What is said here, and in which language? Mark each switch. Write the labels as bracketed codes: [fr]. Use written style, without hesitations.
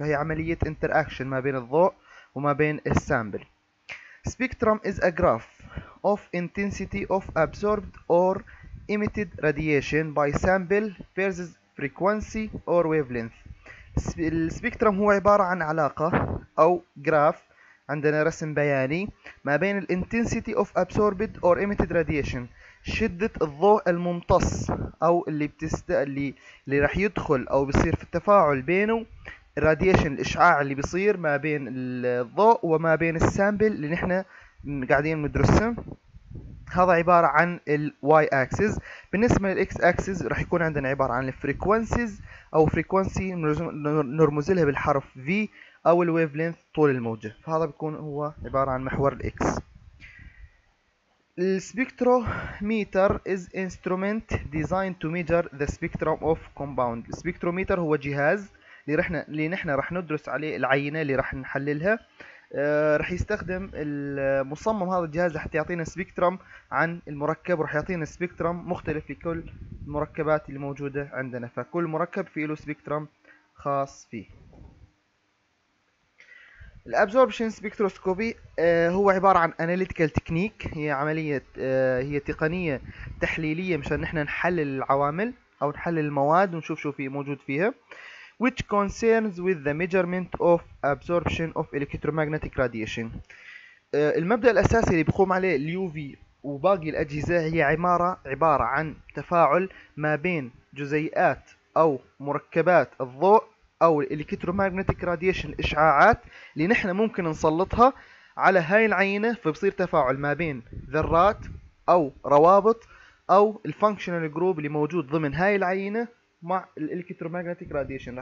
[ar] فهي عملية انتراكشن ما بين الضوء وما بين السامبل. [en] Spectrum is a graph of intensity of absorbed or emitted radiation by sample versus frequency or wavelength. [ar] السبيكترم هو عبارة عن علاقة أو جراف، عندنا رسم بياني ما بين الـ [en] intensity of absorbed or emitted radiation، [ar] شدة الضوء الممتص أو اللي راح يدخل أو بيصير في التفاعل بينه radiation، الإشعاع اللي بيصير ما بين الضوء وما بين السامبل اللي نحن قاعدين ندرسه. هذا عبارة عن الـ y-axis. بالنسبة للـ x-axis راح يكون عندنا عبارة عن الـ frequencies أو frequency نرمزلها بالحرف V، أو الـ wavelength طول الموجة. فهذا بيكون هو عبارة عن محور الـ x. [en] الـ spectrometer is instrument designed to measure the spectrum of compound. [ar] الـ spectrometer هو جهاز اللي نحن راح ندرس عليه العينة اللي راح نحللها. رح يستخدم المصمم هذا الجهاز لحتى يعطينا سبيكترم عن المركب، ورح يعطينا سبيكترم مختلف لكل المركبات اللي موجودة عندنا، فكل مركب فيه له سبيكترم خاص فيه. الابزوربشن سبيكتروسكوبي هو عبارة عن [en] analytical technique، [ar] هي عملية هي تقنية تحليلية مشان نحن نحلل العوامل أو نحلل المواد ونشوف شو فيه موجود فيها. [en] Which concerns with the measurement of absorption of electromagnetic radiation. [ar] المبدأ الأساسي اللي بيقوم عليه الـ UV وباقي الأجهزة هي عبارة عن تفاعل ما بين جزيئات أو مركبات الضوء أو electromagnetic radiation، الإشعاعات اللي نحن ممكن نسلطها على هاي العينة، فبصير تفاعل ما بين ذرات أو روابط أو الـ functional group اللي موجود ضمن هاي العينة مع الالكتروماغنتيك راديشن.